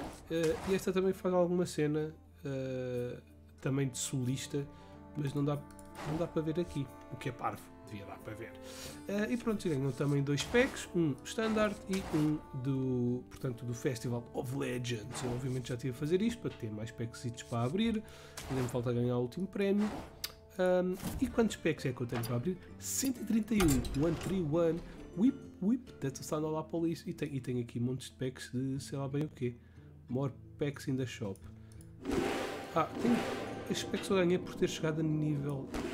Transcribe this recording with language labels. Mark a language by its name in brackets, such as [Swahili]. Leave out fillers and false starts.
[Portuguese] E esta também faz alguma cena também de solista, mas não dá para ver aqui, o que é parvo, devia dar para ver. E pronto, ganham também 2 packs, um standard e um do, portanto, do Festival of Legends. Eu obviamente já tive a fazer isto para ter mais packsitos para abrir, ainda me falta ganhar o último prémio. E quantos packs é que eu tenho para abrir? [English] 131, 131, whip, whip, that's the sound of the police. [Portuguese] E tem aqui montes de packs de sei lá bem o quê. [English] More packs in the shop. [Portuguese] Ah, tem. Estes packs eu ganhei por ter chegado a nível.